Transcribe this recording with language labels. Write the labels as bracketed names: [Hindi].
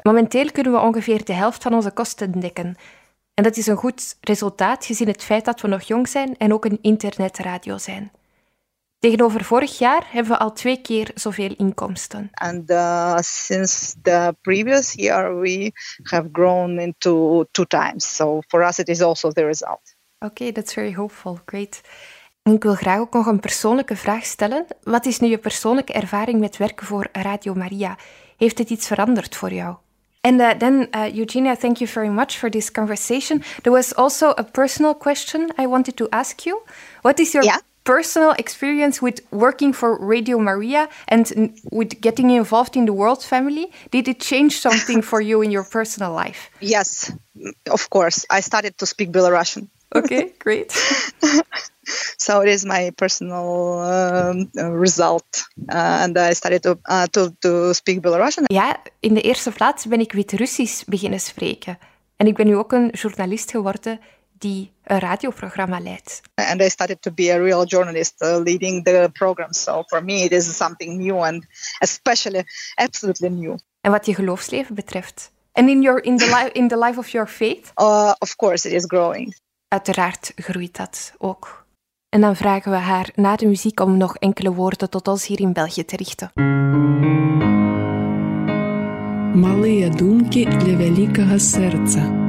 [Dutch] Momenteel kunnen we ongeveer de helft van onze kosten dekken. En dat is een goed resultaat gezien het feit dat we nog jong zijn en ook een internetradio zijn. Tegenover vorig jaar hebben we al 2 keer zoveel inkomsten. [English] And since the previous year we have grown into 2 times. So for us it is also the result. Oké, that's very hopeful. Great. [Dutch] En ik wil graag ook nog een persoonlijke vraag stellen. Wat is nu je persoonlijke ervaring met werken voor Radio Maria? Heeft het iets veranderd voor jou? [English] And then, Eugenia, thank you very much for this conversation. There was also a personal question I wanted to ask you. What is your personal experience with working for Radio Maria and with getting involved in the World Family? Did it change something for you in your personal life? Yes, of course. I started to speak Belarusian. Okay, great. So it is my personal result. And I started to speak Belarusian. [Dutch] Ja, in de eerste plaats ben ik Wit-Russisch beginnen spreken. En ik ben nu ook een journalist geworden die een radioprogramma leidt. [English] And I started to be a real journalist leading the program. So for me it is something new and especially absolutely new. [Dutch] En wat je geloofsleven betreft. [English] And in the life of your faith? Of course, it is growing. [Dutch] Uiteraard groeit dat ook. En dan vragen we haar na de muziek om nog enkele woorden tot ons hier in België te richten. [Russian] Малые думки для великого сердца.